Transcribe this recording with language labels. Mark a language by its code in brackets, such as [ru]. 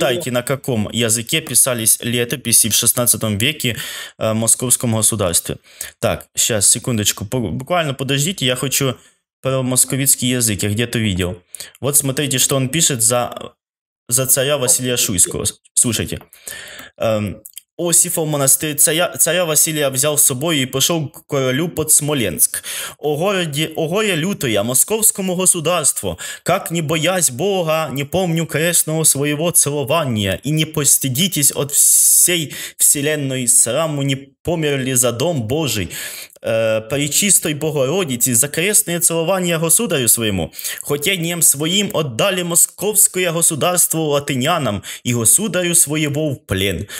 [ru] на каком языке писались летописи в 16 веке в московском государстве. Так, сейчас, секундочку. Буквально подождите, я хочу про московитский язык, я где-то видел. Вот смотрите, что он пишет за царя Василия Шуйского. Слушайте. [uk] Осіфа в монастир царя Василія взяв з собою і пішов к королю під Смоленськ. [ru] О городі, о горе лютоя, московському государству, как не боясь Бога, не помню крестного своего целования, и не постыдитесь от всей вселенной сраму, не померли за дом Божий, пречистой Богородице, за крестное целование государю своему, хотением своим отдали московское государство латынянам и государю своего в плен.